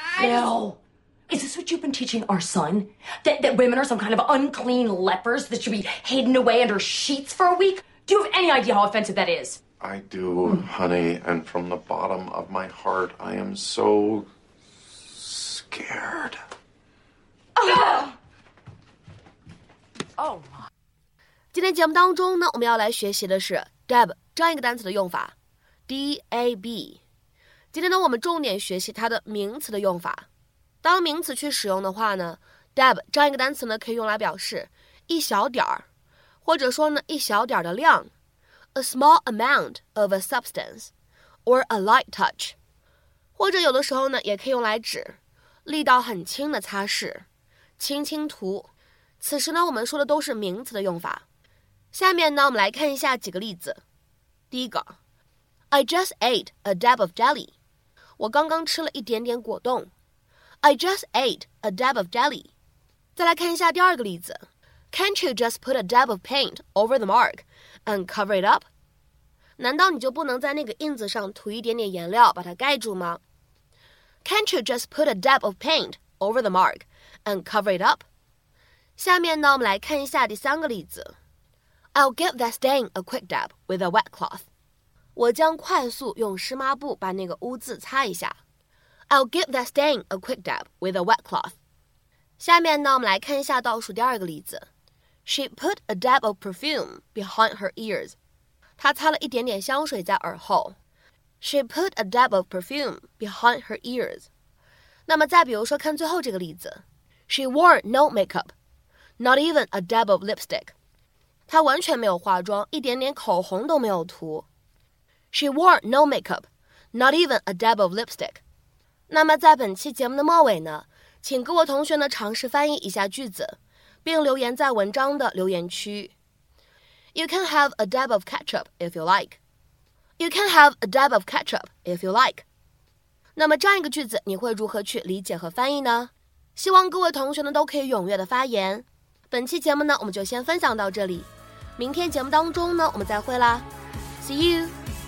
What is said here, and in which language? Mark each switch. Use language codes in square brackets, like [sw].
[en] Phil, is this what you've been teaching our son? That women are some kind of unclean lepers that should be hidden away under sheets for a week? Do you have any idea how offensive that is? I do, honey, and from the bottom of my heart, I am so scared. Oh. [zh] 今天节目当中呢，我们要来学习的是 dab 这样一个单词的用法 ，dab。今天呢，我们重点学习它的名词的用法。当名词去使用的话呢 ，dab 这样一个单词呢，可以用来表示一小点儿，或者说呢一小点儿的量 ， [en] a small amount of a substance， or a light touch， [zh] 或者有的时候呢，也可以用来指力道很轻的擦拭，轻轻涂。此时呢我们说的都是名词的用法。下面呢我们来看一下几个例子。第一个， [en] I just ate a dab of jelly. [zh] 我刚刚吃了一点点果冻。 [en] I just ate a dab of jelly. [zh] 再来看一下第二个例子。 [en] Can't you just put a dab of paint over the mark and cover it up? [zh] 难道你就不能在那个印子上涂一点点颜料把它盖住吗？ [en] Can't you just put a dab of paint over the mark and cover it up? [zh] 下面呢我们来看一下第三个例子。 [en] I'll give that stain a quick dab with a wet cloth. [zh] 我将快速用湿抹布把那个污渍擦一下。 [en] I'll give that stain a quick dab with a wet cloth. [zh] 下面呢我们来看一下倒数第二个例子。 [en] She put a dab of perfume behind her ears. [zh] 她擦了一点点香水在耳后。 [en] She put a dab of perfume behind her ears. [zh] 那么再比如说看最后这个例子。 [en] She wore no makeup. not even a dab of lipstick. [zh] 她完全没有化妆，一点点口红都没有涂。 [en] She wore no makeup, not even a dab of lipstick. [zh] 那么在本期节目的末尾呢，请各位同学呢尝试翻译一下句子，并留言在文章的留言区。 [en] You can have a dab of ketchup if you like. You can have a dab of ketchup if you like. [zh] 那么这样一个句子，你会如何去理解和翻译呢？希望各位同学呢都可以踊跃的发言。本期节目呢，我们就先分享到这里。明天节目当中呢，我们再会啦。 [en] See you.